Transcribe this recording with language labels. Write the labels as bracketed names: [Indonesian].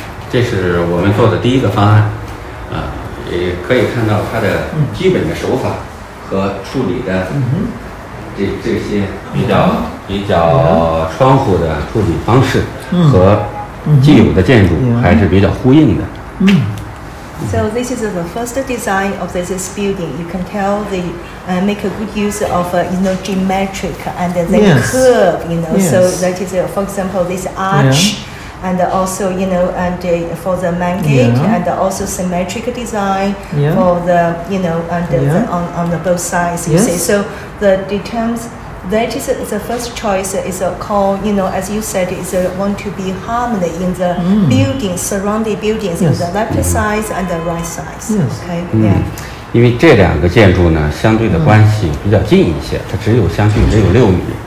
[Chinese] 这是我们做的第一个方案，也可以看到它的基本的手法和处理的这些比较窗户的处理方式和既有的建筑还是比较呼应的。 [English] So this is the first design of this building. You can tell they make a good use of geometric and the curve. So that is, for example, this arch, and also for the main gate, and also symmetric design for the on the both sides. So the terms that is the first choice is called as you said is want to be harmony in the building surrounding buildings in the left side and the right side. Yes. Okay. [Chinese] 因为这两个建筑呢，相对的关系比较近一些，它只有相距只有六米。